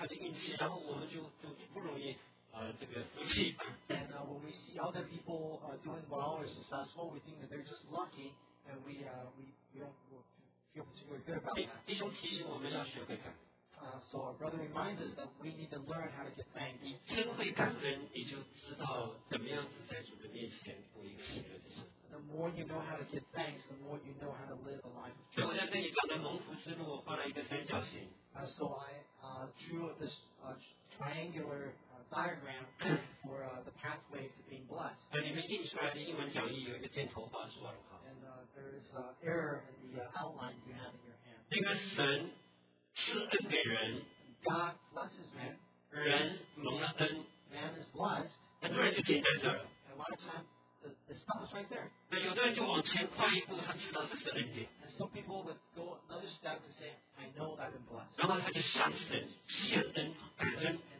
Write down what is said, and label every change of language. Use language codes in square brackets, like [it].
[zh] 当我们看见别人成功的时候，我们就把它归咎于他的运气，然后我们就不容易。 [en] And when we see other people doing well or successful, we think that they're just lucky, and we don't feel particularly good about that. [zh] 弟兄提醒我们要学会感恩。 [en] So our brother reminds us that we need to learn how to give thanks. [zh] 你真会感恩，你就知道怎么样子在主的面前过一个喜乐的生活。 [en] The more you know how to give thanks, the more you know how to live a life of joy. [zh] 所以我在这里找的蒙福之路，我画了一个三角形。 [en] So I drew this triangular diagram for the pathway to being blessed. [zh] 里面印出来的英文讲义有一个箭头画出来。 [en] And there is an error in the outline you have in your hand. [zh] 那个神赐恩给人, [en] God blesses man. [zh] 人蒙了恩, [en] man is blessed. [zh] 很多人就停在这儿。 [en] And a lot of times, it stops right there. [zh] 有的人就往前跨一步，他知道这是恩典。 [en] And some people would go another step and say, I know I've been blessed. [zh] 然后他就向神谢恩感恩。